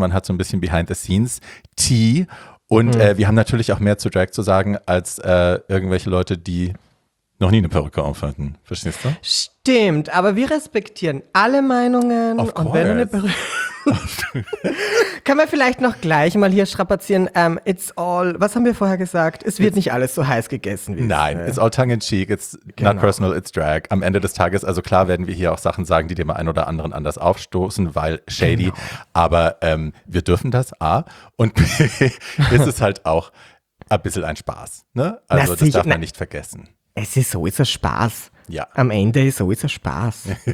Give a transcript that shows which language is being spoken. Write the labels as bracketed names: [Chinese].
[German] Man hat so ein bisschen Behind-the-Scenes-Tea. Und wir haben natürlich auch mehr zu Drag zu sagen, als irgendwelche Leute, die noch nie eine Perücke aufhalten. Verstehst du? Stimmt, aber wir respektieren alle Meinungen. [English] Of course. [German] Und wenn du eine Perücke. Kann man vielleicht noch gleich mal hier strapazieren. Was haben wir vorher gesagt? Es wird nicht alles so heiß gegessen. [English] Nein, it's all tongue-in-cheek, not personal, it's drag. [German] Am Ende des Tages, also klar werden wir hier auch Sachen sagen, die dem einen oder anderen anders aufstoßen, weil shady. Genau. Aber wir dürfen das, A. Und B, ist es halt auch ein bisschen ein Spaß. Ne? Also das darf man nicht vergessen. Es ist sowieso ein Spaß. Ja. Am Ende ist sowieso ein Spaß.